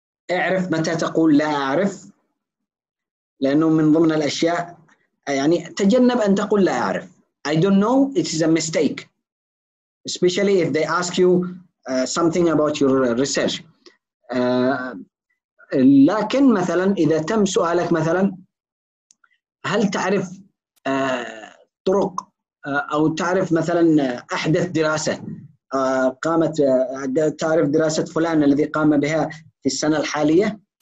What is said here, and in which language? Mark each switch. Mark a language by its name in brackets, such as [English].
[Arabic] اعرف متى تقول لا أعرف، لأنه من ضمن الأشياء يعني تجنب أن تقول لا أعرف. [English] I don't know it is a mistake especially if they ask you something about your research. [Arabic] لكن مثلا إذا تم سؤالك مثلا هل تعرف طرق أو تعرف مثلا أحدث دراسة قامت تعرف دراسة فلان الذي قام بها في السنة الحالية،